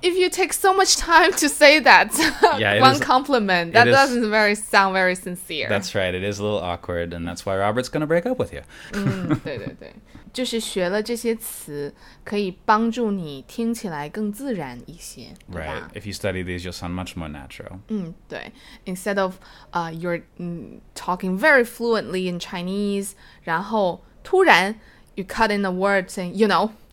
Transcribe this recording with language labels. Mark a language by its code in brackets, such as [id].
[en] If you take so much time to say that yeah, one is, compliment, that doesn't is, very sound very sincere. That's right. It is a little awkward, and that's why Robert's gonna break up with you. [zh] 对对对，就是学了这些词，可以帮助你听起来更自然一些。 [en] Right. If you study these, you'll sound much more natural. 对 instead of you're talking very fluently in Chinese, [zh] 然后突然 [en] you cut in a word saying, you know,